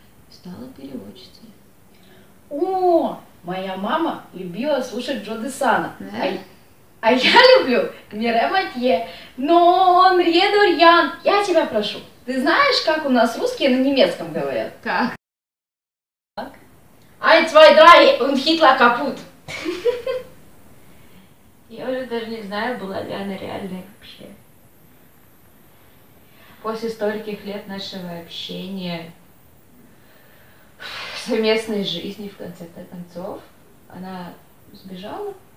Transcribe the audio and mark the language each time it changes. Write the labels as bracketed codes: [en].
[ru] Стала переводчицей. Моя мама любила слушать Джо Десана. Да? А я люблю Мире Матье. Но он редурьян. Я тебя прошу. Ты знаешь, как у нас русские на немецком говорят? Как? [de] Ein, zwei, drei und Hitler kaputt. [ru] Я уже даже не знаю, была ли она реальной вообще. После стольких лет нашего общения, совместной жизни, в конце концов, она сбежала